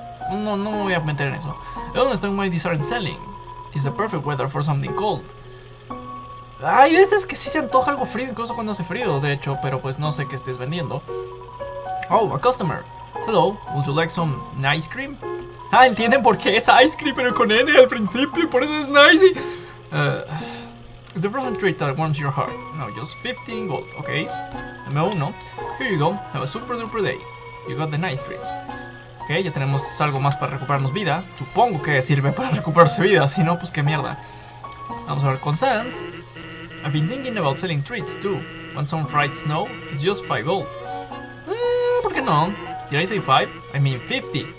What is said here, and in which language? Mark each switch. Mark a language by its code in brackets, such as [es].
[es] No, no me voy a meter en eso. ¿Dónde están [en] my design selling? It's the perfect weather for something cold. [es] Hay veces que sí se antoja algo frío, incluso cuando hace frío, de hecho, pero pues no sé qué estés vendiendo. [en] Oh, a customer. Hello, would you like some nice cream? [es] Ah, entienden por qué es ice cream, pero con N al principio, por eso es nice. [en] It's the frozen treat that warms your heart. No, just 15 gold, ok. [es] Dame uno. [en] Here you go, have a super duper day. You got the nice cream. [es] Ok, ya tenemos algo más para recuperarnos vida. Supongo que sirve para recuperarse vida, si no, pues qué mierda. Vamos a ver con Sans. [en] I've been thinking about selling treats too. Want some fried snow? It's just 5 gold. [es] ¿Por qué no? [en] Did I say 5? I mean 50.